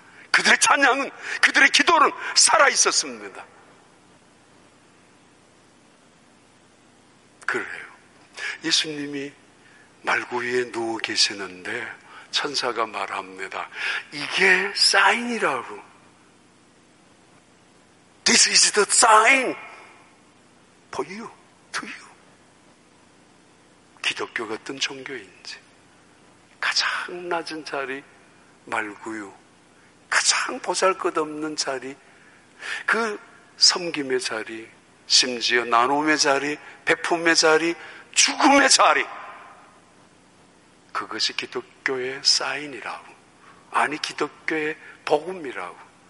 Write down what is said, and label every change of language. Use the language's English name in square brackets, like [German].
[Korean] 그들의 찬양은, 그들의 기도는 살아있었습니다. 그래요. 예수님이 말구이에 누워 계시는데 천사가 말합니다. 이게 사인이라고. [English] This is the sign for you, to you. [Korean] 기독교 같은 종교인지. 가장 낮은 자리 말구유, 가장 보잘것없는 자리, 그 섬김의 자리, 심지어 나눔의 자리, 베품의 자리, 죽음의 자리, 그것이 기독교의 사인이라고, 아니 기독교의 복음이라고.